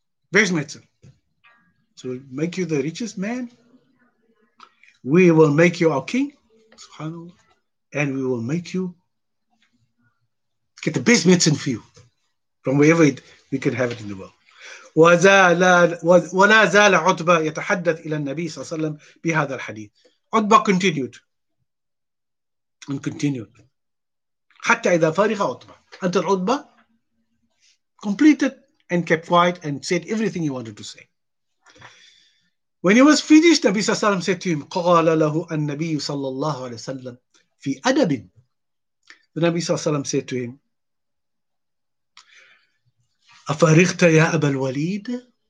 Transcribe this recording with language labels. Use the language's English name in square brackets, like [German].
[English] Best medicine. So we'll make you the richest man. We will make you our king. SubhanAllah. And we will make you get the best medicine for you from wherever we can have it in the world. [Arabic] ولا زال عتبة يتحدث إلى النبي صلى الله عليه وسلم بهذا الحديث. عتبة [English] continued and continued [Arabic] حتى إذا فارغ عتبة. أنت عتبة [English] completed and kept quiet and said everything he wanted to say. When he was finished, Nabi Sallallahu Alaihi Wasallam said to him, [Arabic] قَالَ لَهُ النَّبِيُّ صَلَّى اللَّهُ عَلَيْهِ وَسَلَّمْ فِي أَدَبٍ. [English] The Nabi Sallallahu Alaihi Wasallam said to him, [Arabic] أَفَرِغْتَ يَا أَبَا الْوَلِيدِ.